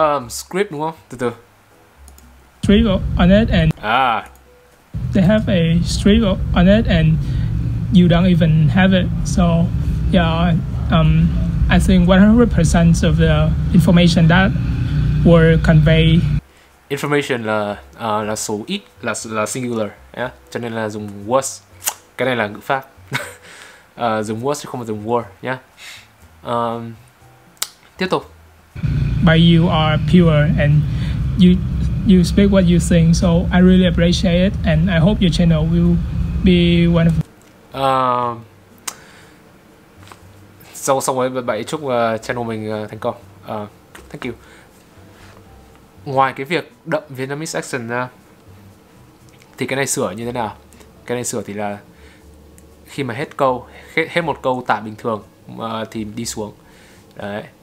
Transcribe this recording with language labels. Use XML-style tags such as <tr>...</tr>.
<vi>Script, đúng không? Từ từ.</vi> <en>Streak on it and They have a streak on it and you don't even have it, so yeah. I think 100% of the information that were conveyed.</en> <vi>Information là số ít, là singular, yeah? Cho nên là dùng was. Cái này là ngữ pháp. Dùng was chứ không phải dùng were, nhá. Tiếp tục.</vi> <en>But you are pure and you speak what you think, so I really appreciate it and I hope your channel will be one of.</en> <vi>Xong rồi bạn chúc channel mình thành công.</vi> <en>Thank you.</en> <vi>Ngoài cái việc đậm Vietnamese accent ra thì cái này sửa như thế nào? Cái này sửa thì là khi mà hết câu, hết một câu tả bình thường thì đi xuống. Đấy.</vi>